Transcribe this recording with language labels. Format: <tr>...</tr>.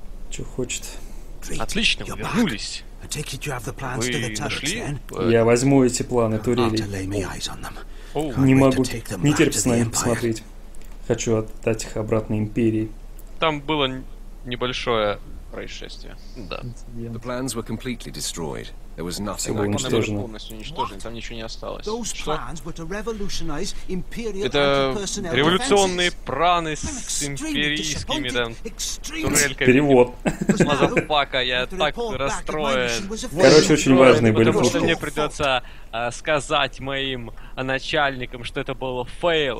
<ru>Чё хочет? Отлично, мы вернулись. Вы нашли? Я возьму эти планы турелей. Не могу, не терпится на них посмотреть. Хочу отдать их обратно империи. Там было небольшое происшествия. Да.</ru> <en>The plans were completely destroyed. There was nothing.</en> <ru>Все было уничтожено. Полностью уничтожены. Там ничего не осталось. Что? Это революционные планы с империйскими, да, турельками. Перевод. Мазафака, я так расстроен. Короче, очень важные были фотки. Потому что мне придется сказать моим начальникам, что это было фейл.</ru>